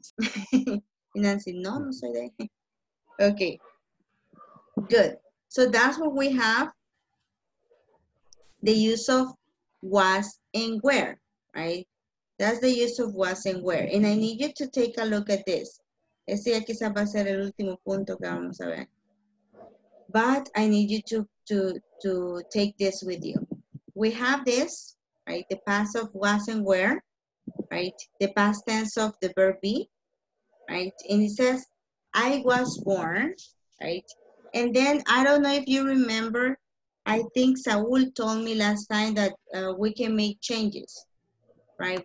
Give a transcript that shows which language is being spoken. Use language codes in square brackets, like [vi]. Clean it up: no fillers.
[en] So, Nancy, [es] no soy de. [en] Okay. Good. So that's what we have. The use of was and where, right? That's the use of was and where. And I need you to take a look at this. [es] Este ya quizás va a ser el último punto que vamos a ver. [en] But I need you to take this with you. We have this. Right, the past of was and were, right? The past tense of the verb be, right? And it says, I was born, right? And then I don't know if you remember, I think Saul told me last time that we can make changes, right?